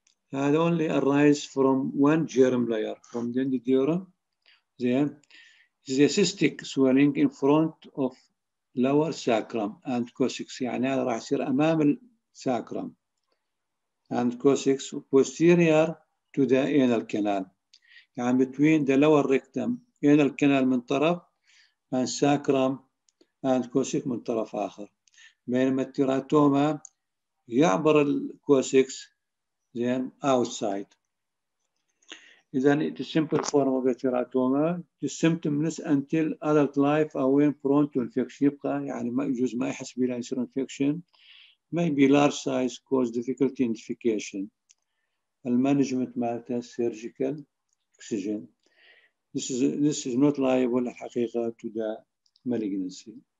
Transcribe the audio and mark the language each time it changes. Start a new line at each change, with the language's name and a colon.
English: That only arises from one germ layer from the endoderm. Then it's a cystic swelling in front of lower sacrum and coccyx.
Arabic: يعني هذا راح يصير أمام الساكرم.
English: And coccyx posterior to the anal canal.
Arabic: يعني
English: between the lower rectum, anal canal
Arabic: من طرف
English: and sacrum and coccyx
Arabic: من طرف آخر. بينما التيراتوما يعبر الكوسيكس
English: then outside.
Arabic: إذن
English: it is simple form of the teratoma. The symptoms until adult life are when prone to infection.
Arabic: يبقى يعني ما يجوز ما يحس بلا يصير infection.
English: Maybe large size cause difficulty identification. Management matters surgical excision. This is not liable
Arabic: الحقيقة
English: to the malignancy.